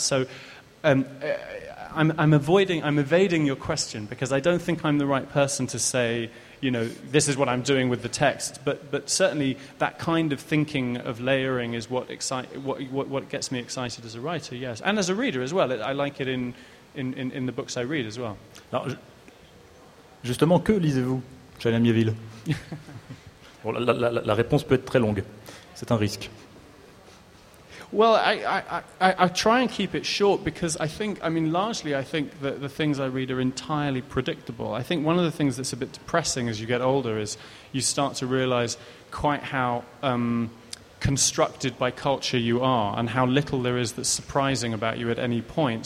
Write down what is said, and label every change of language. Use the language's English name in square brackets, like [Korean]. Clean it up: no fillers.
[English] So I'm evading your question because I don't think I'm the right person to say, this is what I'm doing with the text. But certainly that kind of thinking of layering is what gets me excited as a writer, yes, and as a reader as well. I like it in the books I read as well. [French] Alors, justement, que lisez-vous, Janine Mieville? Bon, la réponse peut être très longue. C'est un risque. [English] Well, I try and keep it short because largely I think that the things I read are entirely predictable. I think one of the things that's a bit depressing as you get older is you start to realize quite how constructed by culture you are and how little there is that's surprising about you at any point.